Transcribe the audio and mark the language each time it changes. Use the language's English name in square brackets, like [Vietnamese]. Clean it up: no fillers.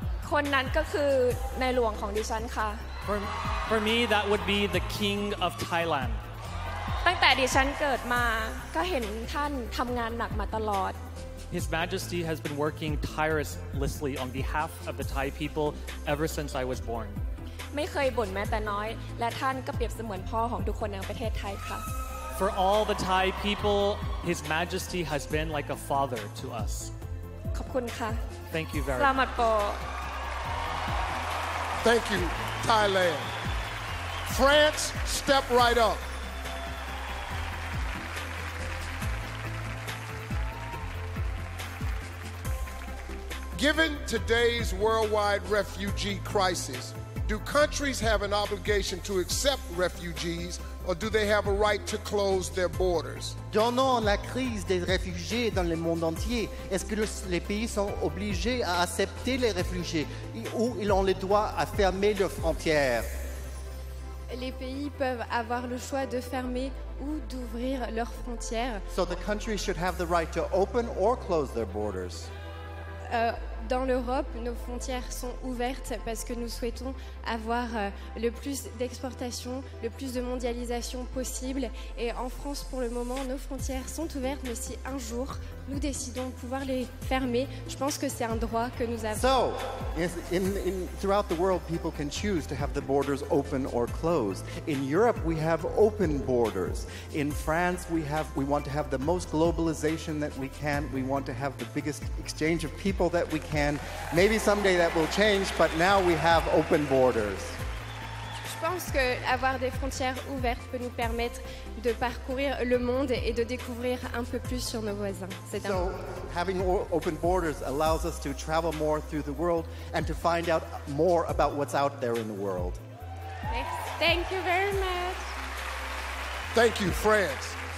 [English] For me, that would be the king of Thailand. His Majesty has been working tirelessly on behalf of the Thai people ever since I was born. [Thai] ไม่เคยบ่นแม้แต่น้อยและท่านก็เปรียบเสมือนพ่อของทุกคนในประเทศไทยค่ะ [English] For all the Thai people His Majesty has been like a father to us [Thai] ขอบคุณค่ะ [English] Thank you very much [Filipino] สลามัตโป [English] Thank you Thailand France step right upGiven today's worldwide refugee crisis, do countries have an obligation to accept refugees, or do they have a right to close their borders? [French] Donnant la crise des réfugiés dans le monde entier, est-ce que les pays sont obligés à accepter les réfugiés ou ils ont le droit à fermer leurs frontières? Les pays peuvent avoir le choix de fermer ou d'ouvrir leurs frontières. [English] So the countries should have the right to open or close their borders. [French] Dans l'Europe, nos frontières sont ouvertes parce que nous souhaitons avoir le plus d'exportations, le plus de mondialisation possible. Et en France, pour le moment, nos frontières sont ouvertes. Mais si un jour nous décidons de pouvoir les fermer, je pense que c'est un droit que nous avons. [English] So, in throughout the world, people can choose to have the borders open or closed. In Europe, we have open borders. In France, we want to have the most globalization that we can. We want to have the biggest exchange of people that we can. Maybe someday that will change, but now we have open borders. [French] Je pense que avoir des frontières ouvertes peut nous permettre de parcourir le monde et de découvrir un peu plus sur nos voisins. [English] C'est so, having open borders allows us to travel more through the world and to find out more about what's out there in the world. Thank you very much. Thank you, France.